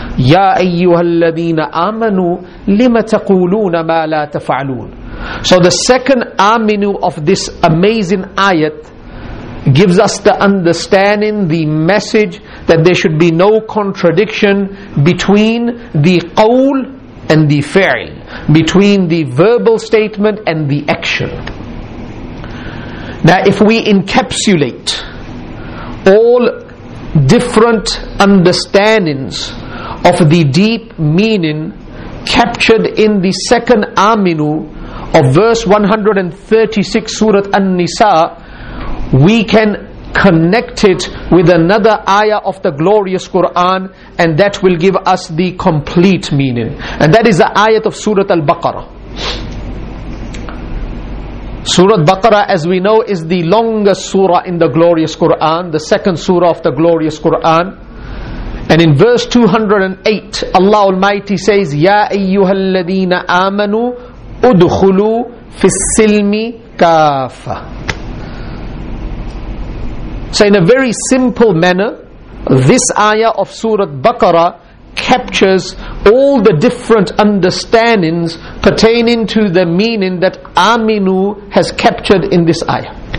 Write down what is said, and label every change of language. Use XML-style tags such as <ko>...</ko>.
<ar>يا أيها الذين آمنوا لما تقولون ما لا تفعلون.</ar> <en>So the second aminu of this amazing ayat gives us the understanding, the message that there should be no contradiction between the qawl and the fi'l, between the verbal statement and the action. Now if we encapsulate all different understandings of the deep meaning captured in the second aminu of verse 136 Surah An-Nisa, we can connect it with another ayah of the glorious Quran, and that will give us the complete meaning. And that is the ayat of Surah Al-Baqarah. Surah Baqarah, as we know, is the longest surah in the glorious Quran, the second surah of the glorious Quran. And in verse 208, Allah Almighty says,</en> <ar>يَا أَيُّهَا الَّذِينَ آمَنُوا أُدْخُلُوا فِي السِّلْمِ كَافَةً.</ar> <en>So in a very simple manner, this ayah of Surah Baqarah captures all the different understandings pertaining to the meaning that Aminu has captured in this ayah.</en>